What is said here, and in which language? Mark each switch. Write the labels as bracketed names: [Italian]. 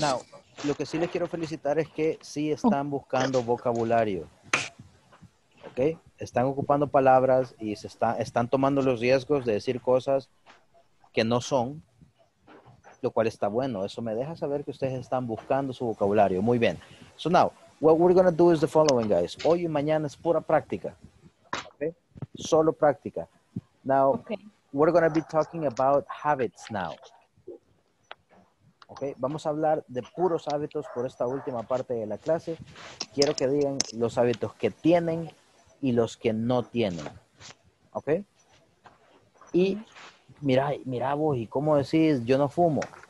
[Spanish] Now, lo que sí les quiero felicitar es que sí están buscando vocabulario. ¿Ok? Están ocupando palabras y están tomando los riesgos de decir cosas que no son, lo cual está bueno. Eso me deja saber que ustedes están buscando su vocabulario. Muy bien. [English] So now, what we're going to do is the following, guys. [Spanish] Hoy y mañana es pura práctica. Okay? Solo práctica. [English] Now, okay. We're going to be talking about habits now. Okay? [Spanish] Vamos a hablar de puros hábitos por esta última parte de la clase. Quiero que digan los hábitos que tienen y los que no tienen. ¿Ok? Y mira vos, ¿y cómo decís yo no fumo?